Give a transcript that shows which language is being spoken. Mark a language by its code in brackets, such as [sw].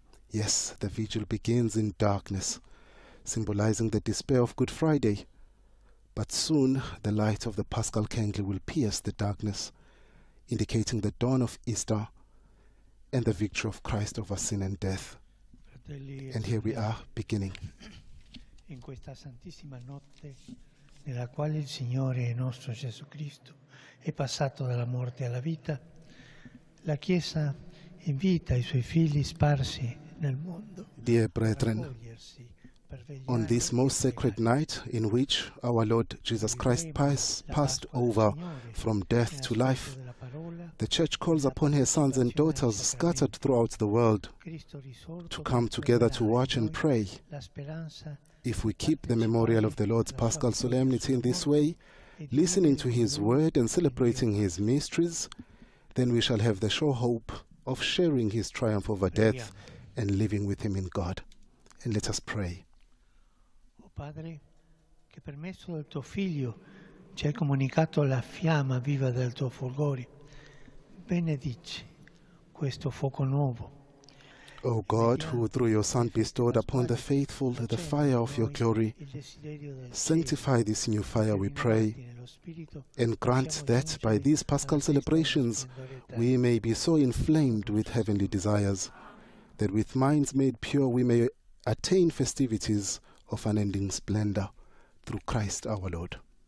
[en] Yes, the vigil begins in darkness, symbolizing the despair of Good Friday. But soon the light of the paschal candle will pierce the darkness, indicating the dawn of Easter and the victory of Christ over sin and death. And here we are, beginning. [it] In questa santissima notte, nella quale il Signore nostro Gesù Cristo è passato dalla morte alla vita, la Chiesa invita i suoi figli sparsi nel mondo. [en] Dear brethren, on this most sacred night in which our Lord Jesus Christ passed over from death to life, the Church calls upon her sons and daughters scattered throughout the world to come together to watch and pray. If we keep the memorial of the Lord's Paschal Solemnity in this way, listening to His Word and celebrating His mysteries, then we shall have the sure hope of sharing His triumph over death and living with Him in God. And let us pray. [it] O Padre, che per mezzo del tuo Figlio ci hai comunicato la fiamma viva del tuo fulgore, benedici questo fuoco nuovo. [en] O God, who through your Son bestowed upon the faithful the fire of your glory, sanctify this new fire, we pray, and grant that by these paschal celebrations we may be so inflamed with heavenly desires that with minds made pure we may attain festivities of unending splendor through Christ our Lord.